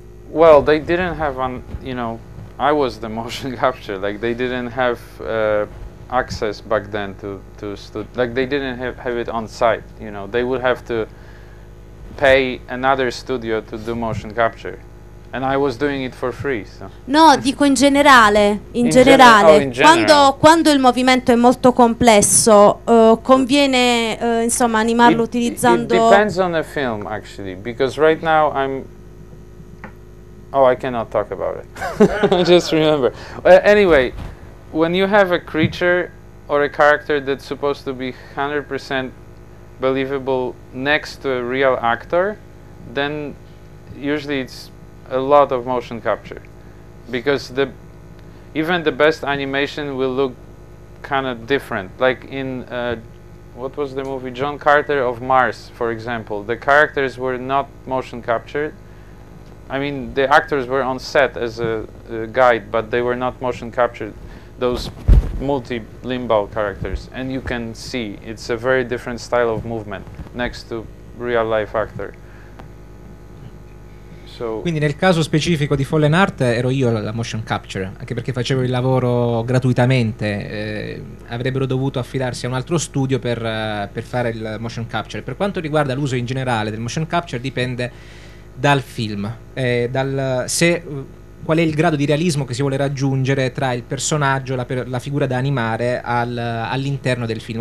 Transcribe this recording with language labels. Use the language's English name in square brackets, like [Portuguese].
[English] Well, they didn't have you know, I was the motion capture, like they didn't have access back then like they didn't have it on site, you know, they would have to pay another studio to do motion capture. And I was doing it for free, so. [Italian] No, dico in generale. Quando il movimento è molto complesso, conviene insomma animarlo utilizzando. [English] It depends on the film, actually, because right now I'm. Oh, I cannot talk about it. I just remember. Anyway, when you have a creature or a character that's supposed to be 100% believable next to a real actor, then usually it's a lot of motion capture, because even the best animation will look kind of different. Like in what was the movie, John Carter of Mars, for example, the characters were not motion captured. I mean, the actors were on set as a guide, but they were not motion captured, those multi-limbo characters. And you can see it's a very different style of movement next to real life actor. [Italian] Quindi nel caso specifico di Fallen Art ero io la motion capture, anche perché facevo il lavoro gratuitamente, avrebbero dovuto affidarsi a un altro studio per fare il motion capture. Per quanto riguarda l'uso in generale del motion capture, dipende dal film, qual è il grado di realismo che si vuole raggiungere tra il personaggio, la figura da animare all'interno del film.